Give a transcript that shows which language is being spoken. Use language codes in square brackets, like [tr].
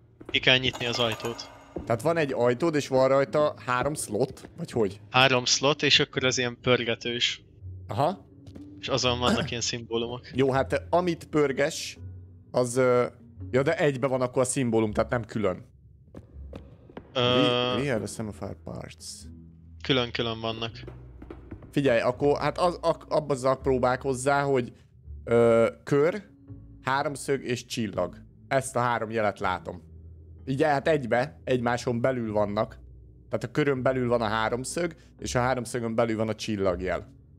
[hu] Ki kell nyitni az ajtót. Tehát van egy ajtód, és van rajta három slot? Vagy hogy? Három slot, és akkor az ilyen pörgetős. Aha. És azon vannak ilyen szimbólumok. Jó, hát amit pörges, az... Ja, de egybe van akkor a szimbólum, tehát nem külön. [en] We are the sum of our parts. [hu] Külön-külön vannak. Figyelj, akkor hát abbazzal próbálkozzá, hogy kör, háromszög és csillag. Ezt a három jelet látom. Így hát egybe, egymáson belül vannak. Tehát a körön belül van a háromszög, és a háromszögön belül van a csillagjel.